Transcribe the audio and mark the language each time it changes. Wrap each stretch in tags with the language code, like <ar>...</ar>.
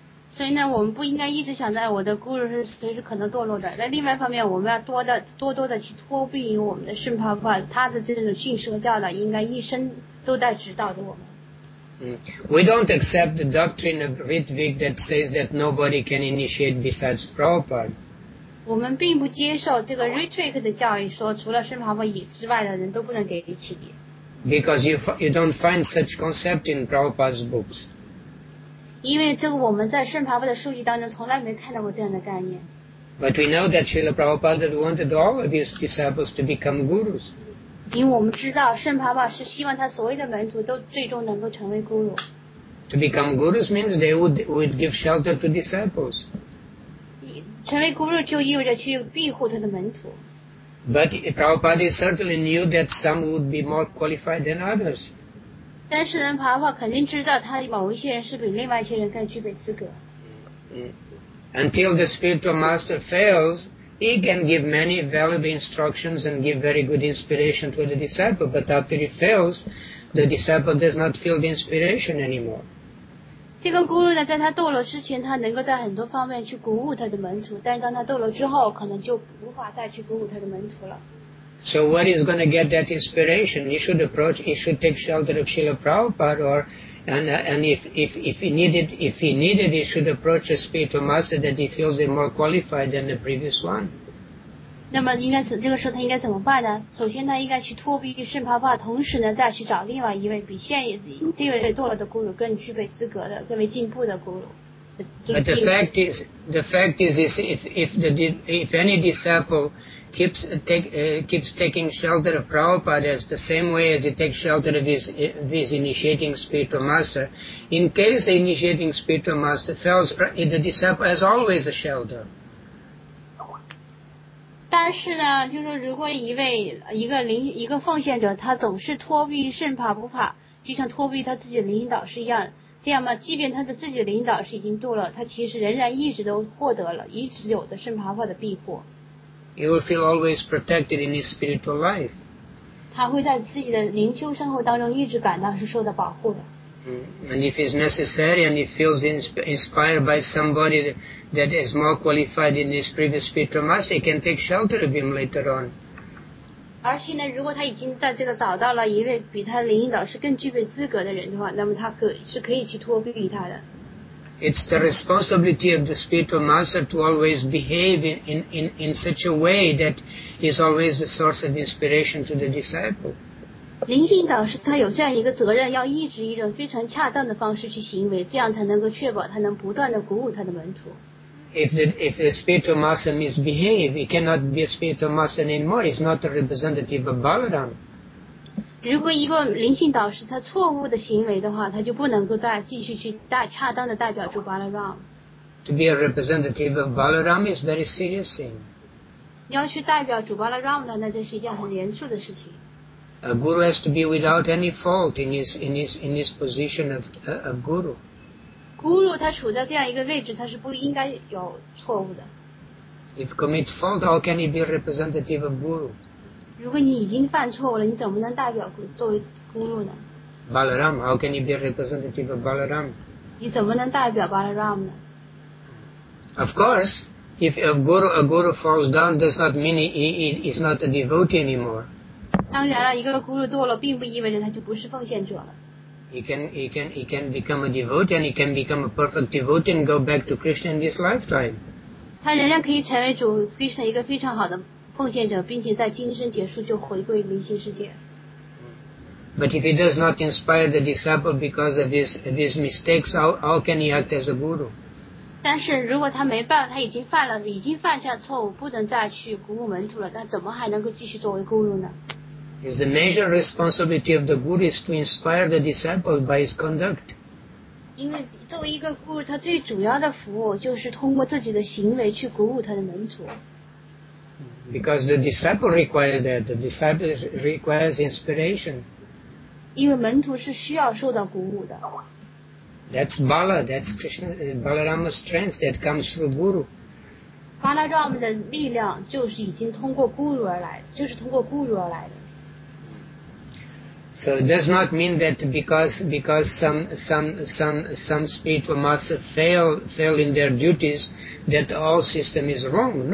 <zh>所以呢，我们不应该一直想着我的 guru 是随时可能堕落的。那另外一方面，我们要多多的去托庇于我们的圣帕帕，他的这种训舍教导应该一生都在指导着我们。</zh> <en>We don't accept the doctrine of Ritvik that says that nobody can initiate besides Prabhupada.</en> <zh>我们并不接受这个 Ritvik 的教义，说除了圣帕帕之外的人都不能给你启迪。</zh> <en>Because you don't find such concept in Prabhupada's books.</en> <zh>因为这个我们在圣帕帕的书籍当中从来没看到过这样的概念。</zh> <en>But we know that Srila Prabhupada wanted all of his disciples to become gurus.</en> <zh>因为我们知道圣帕帕是希望他所有的门徒都最终能够成为 guru.</zh> <en>To become gurus means they would give shelter to disciples.</en> <zh>成为 guru 就意味着去庇护他的门徒。</zh> <en>But Prabhupada certainly knew that some would be more qualified than others.</en> <zh>但是呢，帕帕肯定知道他某一些人是比另外一些人更具备资格。</zh> <en>Until the spiritual master fails, he can give many valuable instructions and give very good inspiration to the disciple. But after he fails, the disciple does not feel the inspiration anymore.</en> <zh>这个 guru 呢，在他堕落之前，他能够在很多方面去鼓舞他的门徒，但是当他堕落之后，可能就无法再去鼓舞他的门徒了。</zh> <en>So when he's going to get that inspiration, he should approach, he should take shelter of Srila Prabhupada, or and if he needed, he should approach a spiritual master that he feels is more qualified than the previous one.</en> <zh>那么应该这个时候他应该怎么办呢？首先呢，应该去托庇圣帕帕，同时呢，再去找另外一位比现这位堕落的孤乳更具备资格的、更为进步的孤乳。</zh> <en>But the fact is, if any disciple keeps taking shelter of Prabhupada as the same way as he takes shelter of his initiating spiritual master, in case the initiating spiritual master fails, the disciple has always a shelter.</en> <zh>但是呢，就是如果一个奉献者，他总是托庇圣帕普帕，就像托庇他自己的领导是一样。这样嘛，即便他的自己的领导是已经堕落，他其实仍然一直都获得了，一直有着圣帕帕的庇护。</zh> <en>He will feel always protected in his spiritual life.</en> <zh>他会在自己的灵修生活当中一直感到是受到保护的。</zh> <en>And if it's necessary and he feels inspired by somebody that is more qualified in his previous spiritual master, he can take shelter of him later on.</en> <zh>而且呢，如果他已经在这个找到了一位比他灵引导师更具备资格的人的话，那么他可以去托庇他的。</zh> <en>It's the responsibility of the spiritual master to always behave in such a way that he's always the source of inspiration to the disciple.</en> <zh>灵性导师他有这样一个责任，要一直以一种非常恰当的方式去行为，这样才能够确保他能不断的鼓舞他的门徒。</zh> <en>If the spiritual master misbehave, he cannot be a spiritual master anymore. He's not a representative of Balaram.</en> <zh>如果一个灵性导师他错误的行为的话，他就不能够再继续去恰当的代表住 Balaram.</zh> <en>To be a representative of Balaram is a very serious thing.</en> <zh>你要去代表主 Balaram 的，那这是一件很严肃的事情。</zh> <en>A guru has to be without any fault in his position of a guru.</en> <zh>Guru 他处在这样一个位置，他是不应该有错误的。</zh> <en>If commit fault, how can he be a representative of guru?</en> <zh>如果你已经犯错误了，你怎么能代表作为 guru 呢？</zh> <en>Balaram, how can he be a representative of Balaram?</en> <zh>你怎么能代表 Balaram 呢？</zh> <en>Of course, if a guru falls down, does not mean he is not a devotee anymore.</en> <zh>当然了，一个孤独堕落并不意味着他就不是奉献者了。</zh> <en>He can become a devotee and he can become a perfect devotee and go back to Krishna in this lifetime.</en> <zh>他仍然可以成为主 Krishna 一个非常好的奉献者，并且在今生结束就回归灵性世界。</zh> <en>But if he does not inspire the disciple because of his mistakes, how can he act as a guru?</en> <zh>但是如果他没办法，他已经犯下错误，不能再去鼓舞门徒了，那怎么还能够继续作为guru呢？</zh> <en>Is the major responsibility of the guru is to inspire the disciple by his conduct.</en> <zh>因为作为一个 guru, 他最主要的服务就是通过自己的行为去鼓舞他的门徒。</zh> <en>Because the disciple requires that. The disciple requires inspiration.</en> <zh>因为门徒是需要受到鼓舞的。</zh> <en>That's Bala, that's Krishna, Balarama's strength that comes through guru.</en> <zh>Balarama 的力量就是已经通过 guru 而来，就是通过 guru 而来的。</zh> <en>So it does not mean that because some spiritual master fail in their duties, that the whole system is wrong.</en>